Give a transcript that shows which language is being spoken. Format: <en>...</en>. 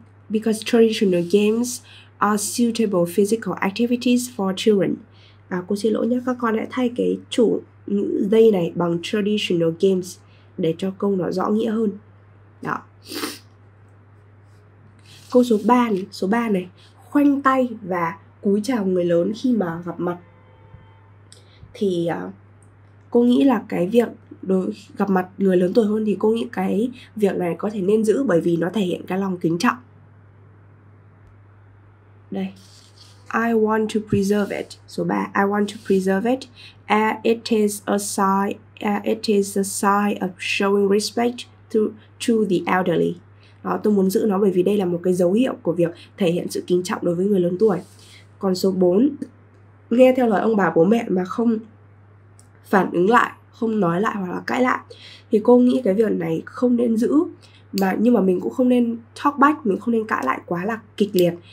<en>Because traditional games are suitable physical activities for children.</en> <vi>À, cô xin lỗi nhé, các con hãy thay cái chủ they này bằng traditional games để cho câu nó rõ nghĩa hơn. Đó. Câu số 3 này, khoanh tay và cúi chào người lớn khi mà gặp mặt. Thì cô nghĩ là cái việc gặp mặt người lớn tuổi hơn thì cô nghĩ cái việc này có thể nên giữ bởi vì nó thể hiện cái lòng kính trọng. Đây.</vi> <en>I want to preserve it.</en> <vi>Số 3.</vi> <en>I want to preserve it. It is a sign of showing respect to the elderly.</en> <vi>Đó, tôi muốn giữ nó bởi vì đây là một cái dấu hiệu của việc thể hiện sự kính trọng đối với người lớn tuổi. Còn số 4. Nghe theo lời ông bà bố mẹ mà không phản ứng lại, không nói lại hoặc là cãi lại. Thì cô nghĩ cái việc này không nên giữ. Nhưng mà mình cũng không nên talk back, mình không nên cãi lại quá là kịch liệt.</vi>